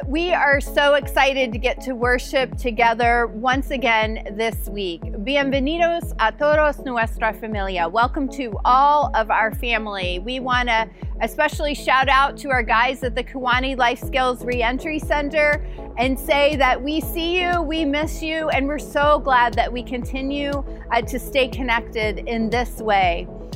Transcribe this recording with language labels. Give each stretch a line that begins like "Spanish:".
English: We are so excited to get to worship together once again this week.
Spanish: Bienvenidos a todos nuestra familia.
English: Welcome to all of our family. We want to especially shout out to our guys at the Kewanee Life Skills Reentry Center and say that we see you, we miss you, and we're so glad that we continue to stay connected in this way.